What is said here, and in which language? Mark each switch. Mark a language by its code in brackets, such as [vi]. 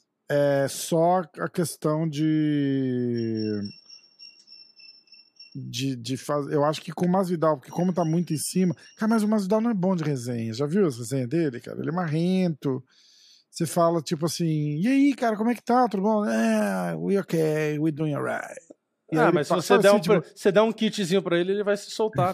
[pt] É só a questão de fazer. Eu acho que com o Masvidal, porque como tá muito em cima. Cara, mas o Masvidal não é bom de resenha. Já viu as resenhas dele, cara? Ele é marrento. Você fala tipo assim: e aí, cara, como é que tá? Tudo bom? [en] We okay, we doing alright. [pt] Se você der um kitzinho pra ele, ele vai se soltar.